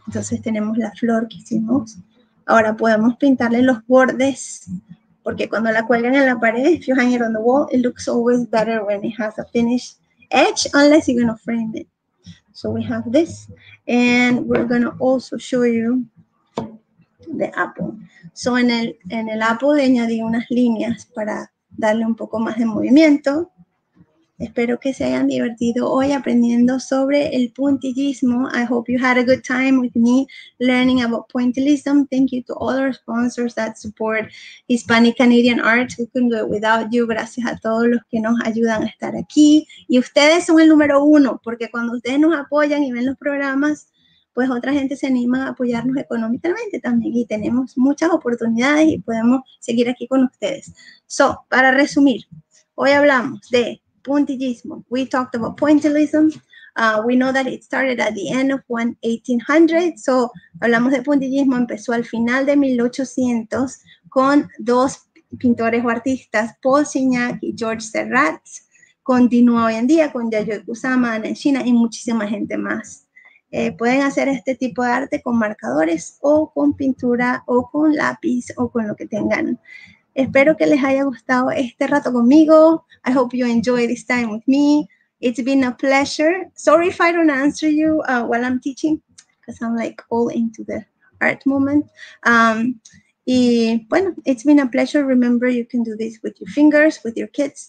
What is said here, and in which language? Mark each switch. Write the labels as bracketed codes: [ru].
[es] Entonces tenemos la flor que hicimos. Ahora podemos pintarle los bordes, porque cuando la cuelgan en la pared, [en] if you hang it on the wall, it looks always better when it has a finished edge, unless you're gonna frame it. So we have this, and we're gonna also show you the apple. [es] So en el apple le añadí unas líneas para darle un poco más de movimiento. Espero que se hayan divertido hoy aprendiendo sobre el puntillismo. [en] I hope you had a good time with me learning about pointillism. Thank you to all our sponsors that support Hispanic Canadian Arts. We couldn't do it without you. [es] Gracias a todos los que nos ayudan a estar aquí. Y ustedes son el número uno, porque cuando ustedes nos apoyan y ven los programas, pues otra gente se anima a apoyarnos económicamente también. Y tenemos muchas oportunidades y podemos seguir aquí con ustedes. So, para resumir, hoy hablamos de puntillismo. [en] We talked about pointillism. We know that it started at the end of 1800. [es] So, hablamos de puntillismo. Empezó al final de 1800 con dos pintores o artistas, Paul Signac y Georges Seurat. Continúa hoy en día con Yayoi Kusama, Ana Enshina y muchísima gente más. Pueden hacer este tipo de arte con marcadores o con pintura o con lápiz o con lo que tengan. Espero que les haya gustado este rato conmigo. [en] I hope you enjoy this time with me. It's been a pleasure. Sorry if I don't answer you while I'm teaching, because I'm like all into the art moment. Y bueno, it's been a pleasure. Remember, you can do this with your fingers, with your kids.